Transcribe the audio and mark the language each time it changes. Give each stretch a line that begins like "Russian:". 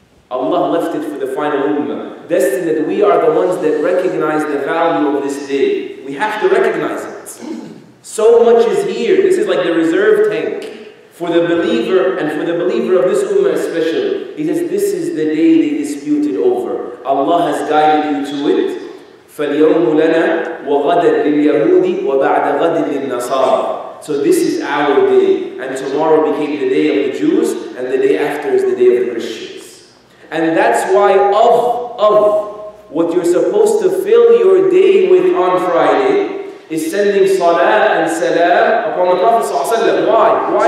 English: Allah left it for the final ummah. Destined that we are the ones that recognize the value of this day. We have to recognize it. So much is here. This is like the reserve tank for the believer and for the believer of this ummah especially. He says, this is the day they disputed over. Allah has guided you to it.
Arabic: فَالْيَوْمُ لَنَا وَغَدًا لِلْيَهُودِ وَبَعْدَ غَدٍ لِلنَّصَارِ
English: So this is our day. And tomorrow became the day of the Jews and the day after is the day of the Christians. And that's why of what you're supposed to fill your day with on Friday, is sending salah and salam upon the Prophet ﷺ. Why?